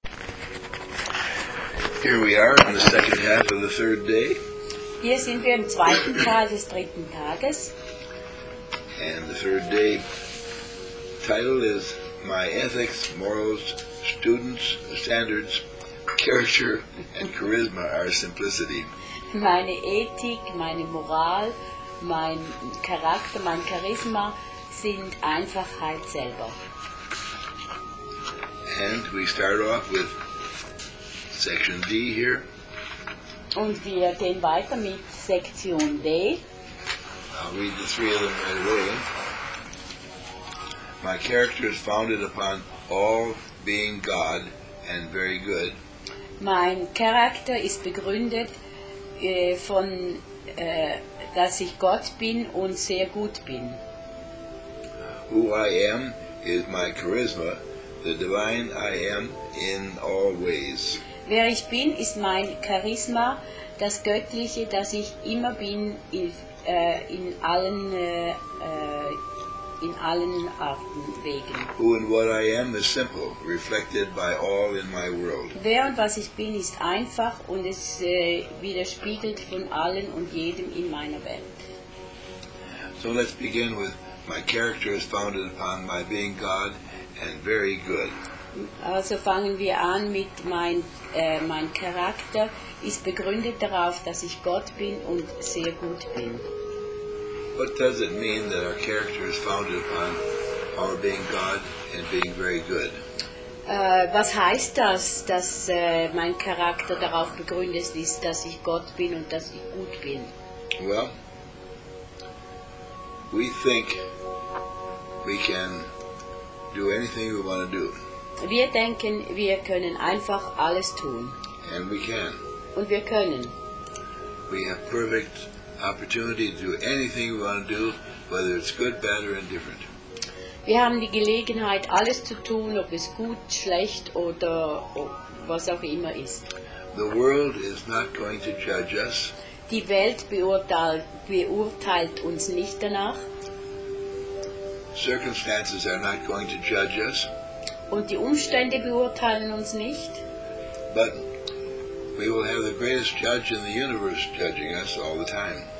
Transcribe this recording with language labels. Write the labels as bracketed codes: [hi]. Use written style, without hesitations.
[en] Here we are in the second half of the third day. [de] Hier sind wir im zweiten Teil des dritten Tages. [en] And the third day title is My Ethics, Morals, Students, Standards, Character and Charisma are Simplicity. [de] Meine Ethik, meine Moral, mein Charakter, mein Charisma sind Einfachheit selber. [en] And we start off with Section D here. [de] Und wir gehen weiter mit Sektion D. [en] I'll read the three of them right away. My character is founded upon all being God and very good. [de] Mein Charakter ist begründet von dass ich Gott bin und sehr gut bin. [en] Who I am is my charisma, the divine I am in all ways. [de] Wer ich bin, ist mein Charisma, das Göttliche, das ich immer bin, in allen Arten Wegen. [en] Who and what I am is simple, reflected by all in my world. [de] Wer und was ich bin, ist einfach und es widerspiegelt von allen und jedem in meiner Welt. [en] So let's begin with my character is founded upon my being God and very good. [de] Also fangen wir an mit mein Charakter ist begründet darauf, dass ich Gott bin und sehr gut bin. [en] What does it mean that our character is founded upon our being God and being very good? [de] Was heißt das, dass mein Charakter darauf begründet ist, dass ich Gott bin und dass ich gut bin? [en] Well, we think we can do anything we want to do. [de] Wir denken, wir können einfach alles tun. [en] And we can. [de] Und wir können. [en] We have perfect opportunity to do anything we want to do, whether it's good, bad or indifferent. [de] Wir haben die Gelegenheit, alles zu tun, ob es gut, schlecht oder was auch immer ist. [en] The world is not going to judge us. [de] Die Welt beurteilt uns nicht danach. [en] Circumstances are not going to judge us. [de] Und die Umstände beurteilen uns nicht. [en] But we will have the greatest judge in the universe judging us all the time.